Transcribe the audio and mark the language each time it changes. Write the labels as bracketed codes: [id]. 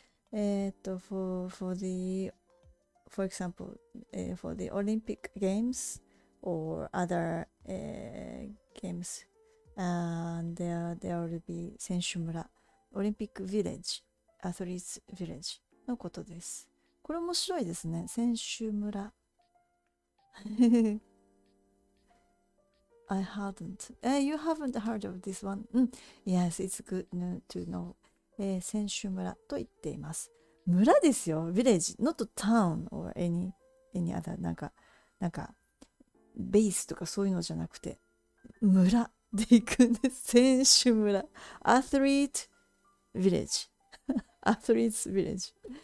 [en] For example, for the Olympic Games or other games, and there will be 選手村、Olympic Village, Athletes Village [ja] のことです。これ面白いですね、選手村。 [en] I hadn't. You haven't heard of this one.、Yes, it's good to know. [ja] 選手村と言っています。村ですよ、ビレッジ、 [en] not town or any other、 [ja] なんかベースとかそういうのじゃなくて村で行くんです。選手村、アスリートビレッジ、アスリートビレッジ。